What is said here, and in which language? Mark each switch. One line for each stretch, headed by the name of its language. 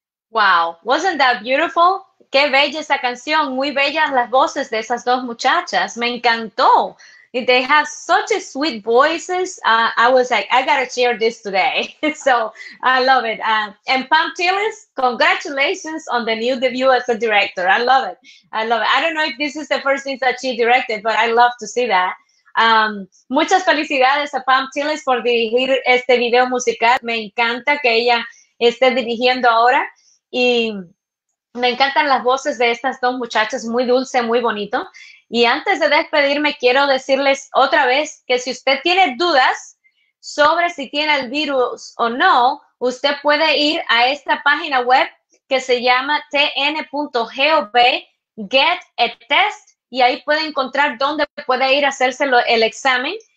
English: Wow, wasn't that beautiful?
Spanish: Qué bella esa canción, muy bellas las voces de esas dos muchachas, me encantó.
English: They have such a sweet voices. I was like, I gotta share this today. So I love it. And Pam Tillis, congratulations on the new debut as a director. I love it. I love it. I don't know if this is the first thing that she directed, but I love to see that.
Spanish: Muchas felicidades a Pam Tillis por dirigir este video musical. Me encanta que ella esté dirigiendo ahora. Y me encantan las voces de estas dos muchachas, muy dulce, muy bonito. Y antes de despedirme, quiero decirles otra vez que si usted tiene dudas sobre si tiene el virus o no, usted puede ir a esta página web que se llama tn.gov,
English: get a test,
Spanish: y ahí puede encontrar dónde puede ir a hacerse el examen.